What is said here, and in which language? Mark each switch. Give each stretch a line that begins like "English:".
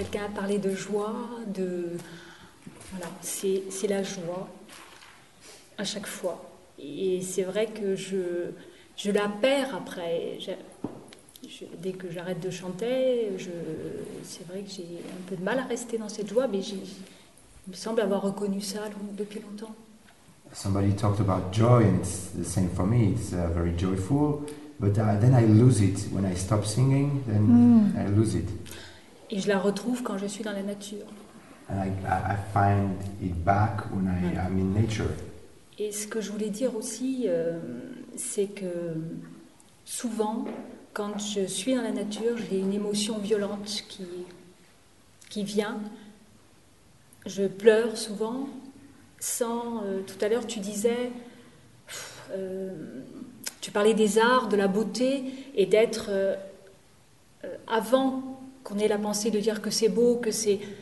French: Quelqu'un a parlé de joie, de voilà, c'est la joie à chaque fois. Et c'est vrai que je la perds après. Dès que j'arrête de chanter, c'est vrai que j'ai un peu de mal à rester dans cette joie, mais il me semble avoir reconnu ça depuis longtemps.
English: Somebody talked about joy, and it's the same for me. It's very joyful, but then I lose it when I stop singing. Then I lose it.
French: Et je la retrouve quand je suis dans la nature.
English: And I find it back when I'm in nature.
French: Et ce que je voulais dire aussi, c'est que souvent. Quand je suis dans la nature, j'ai une émotion violente qui vient. Je pleure souvent. Tout à l'heure, tu disais, tu parlais des arts, de la beauté, et d'être, avant qu'on ait la pensée de dire que c'est beau, que c'est...